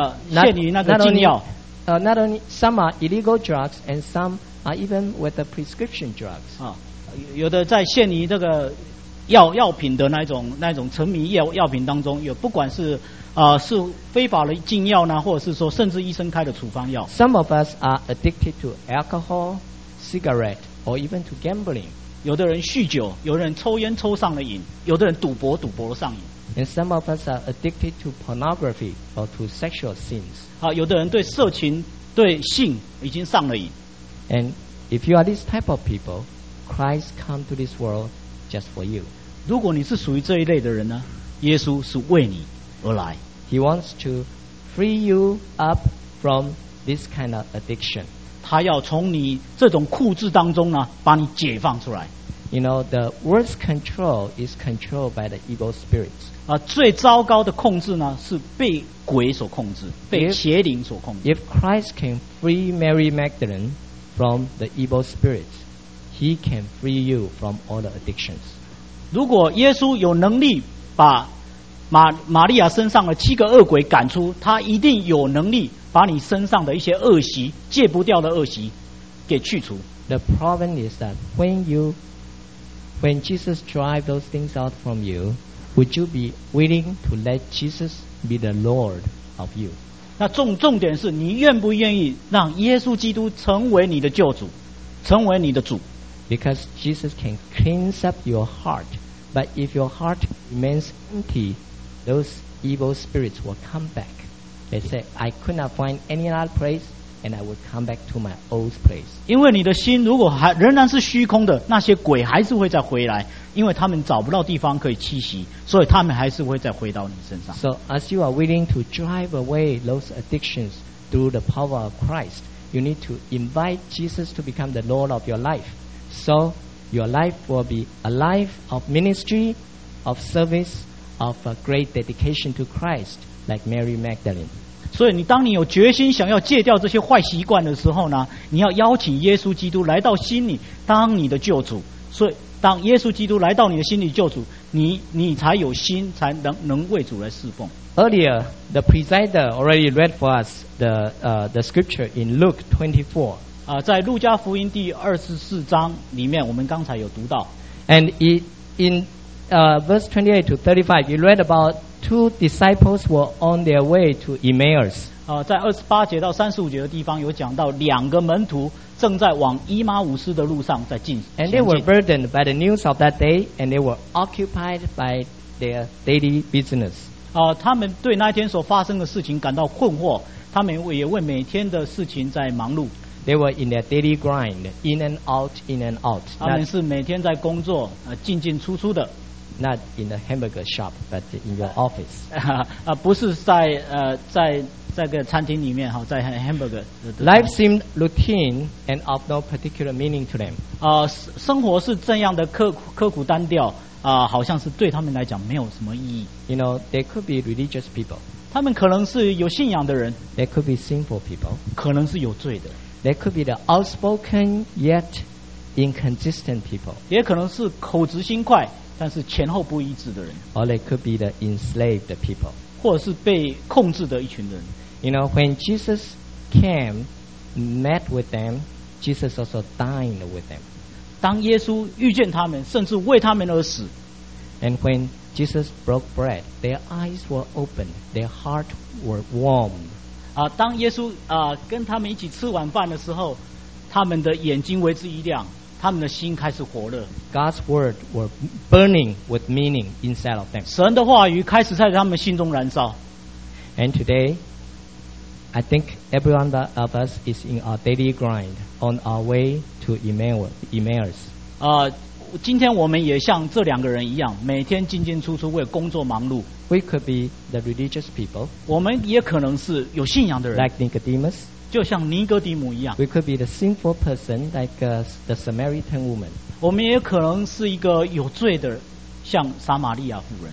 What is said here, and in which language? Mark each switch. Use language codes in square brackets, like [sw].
[en] Not only some are illegal drugs and some are even with the prescription drugs. [zh] 有的在陷于这个药品的那种沉迷药品当中，有不管是是非法的禁药呢，或者是说甚至医生开的处方药。 [en] Some of us are addicted to alcohol, cigarette, or even to gambling. [zh] 有的人酗酒，有的人抽烟抽上了瘾，有的人赌博上瘾。 [en] And some of us are addicted to pornography or to sexual sins. [zh] 有的人对色情、对性已经上了瘾。 [en] And if you are this type of people, Christ come to this world just for you. [zh] 如果你是属于这一类的人呢，耶稣是为你而来。 [en] He wants to free you up from this kind of addiction. [zh] 他要从你这种酷制当中呢，把你解放出来。 [en] You know, the worst control is controlled by the evil spirits. [zh] 最糟糕的控制呢，是被鬼所控制，被邪灵所控制。 [en] If Christ can free Mary Magdalene from the evil spirits, He can free you from all the addictions. [zh] 如果耶稣有能力把玛利亚身上的七个恶鬼赶出，他一定有能力把你身上的一些恶习、戒不掉的恶习给去除。 [en] The problem is that when Jesus drive those things out from you, would you be willing to let Jesus be the Lord of you? [zh] 那重点是你愿不愿意让耶稣基督成为你的救主，成为你的主？ [en] Because Jesus can cleanse up your heart, but if your heart remains empty, those evil spirits will come back. They say, "I could not find any other place." And I would come back to my old place. [zh] 因为你的心如果还仍然是虚空的，那些鬼还是会再回来，因为他们找不到地方可以栖息，所以他们还是会再回到你身上。 [en] So as you are willing to drive away those addictions through the power of Christ, you need to invite Jesus to become the Lord of your life. So your life will be a life of ministry, of service, of a great dedication to Christ, like Mary Magdalene. [zh] 所以你当你有决心想要戒掉这些坏习惯的时候呢，你要邀请耶稣基督来到心里当你的救主。所以当耶稣基督来到你的心里救主，你才有心才能为主来侍奉。 [en] Earlier the presider already read for us the scripture in Luke 24. [zh] 在路加福音第二十四章里面我们刚才有读到。 [en] And verse 28 to 35 you read aboutTwo disciples were on their way to Emmaus. [zh] 在二十八节到三十五节的地方有讲到两个门徒正在往以马忤斯的路上在进。 [en] And they were burdened by the news of that day, and they were occupied by their daily business. [zh] 他们对那天所发生的事情感到困惑，他们也为每天的事情在忙碌。 [en] They were in their daily grind, in and out, in and out. [zh] 他们是每天在工作，进进出出的。 [en] Not in the hamburger shop, but in your office. [zh] 不是在在个餐厅里面哈，在 hamburger. [en] Life seemed routine and of no particular meaning to them. [zh] 生活是这样的刻苦单调啊，好像是对他们来讲没有什么意义。 [en] You know, they could be religious people. [zh] 他们可能是有信仰的人。 [en] They could be sinful people. [zh] 可能是有罪的。 [en] They could be the outspoken yet inconsistent people. [zh] 也可能是口直心快。但是前后不一致的人 [en] or they could be the enslaved people [zh] 或者是被控制的一群人。 [en] You know, when Jesus came met with them, Jesus also dined with them. [zh] 当耶稣遇见他们甚至为他们而死。 [en] And when Jesus broke bread, their eyes were opened, their heart were warm. [zh] 当耶稣跟他们一起吃晚饭的时候，他们的眼睛为之一亮，他们的心开始火热。 [en] God's word were burning with meaning inside of them. [zh] 神的话语开始在他们心中燃烧。 [en] And today, I think everyone of us is in our daily grind on our way to Emmaus. [zh] 今天我们也像这两个人一样，每天进进出出为工作忙碌。 [en] We could be the religious people. [zh] 我们也可能是有信仰的人。 [en] Like Nicodemus. [zh] 就像尼哥底母一样。 [en] We could be the sinful person like the Samaritan woman. [zh] 我们也可能是一个有罪的像撒玛利亚妇人。